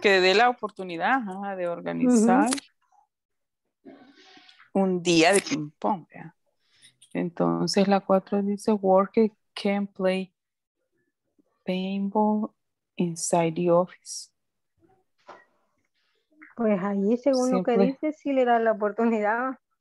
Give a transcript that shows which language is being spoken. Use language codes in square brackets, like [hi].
[es] Que dé la oportunidad de organizar un día de ping pong. ¿Ya? Entonces la 4 dice, [en] worker can play paintball inside the office. [es] Pues ahí según lo que dice, sí le da la oportunidad.